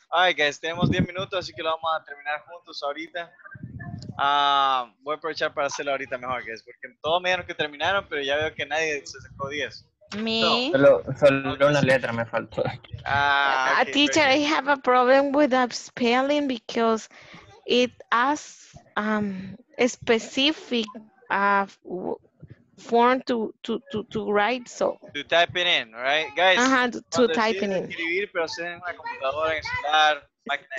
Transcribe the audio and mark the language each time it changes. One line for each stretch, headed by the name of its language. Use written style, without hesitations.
English: All right, guys,
Spanish: tenemos 10 minutos, así que lo vamos a terminar juntos ahorita. Voy a aprovechar para hacerlo ahorita mejor, guys, porque todos me dijeron que terminaron, pero ya veo que nadie se sacó 10. Me. Solo una letra me faltó.
English: Okay, teacher, I have a problem with the spelling because it has a specific form to write, so to type it in, right, guys? To type it in.
Spanish: Escribir, pero si en la computadora, en celular, máquina,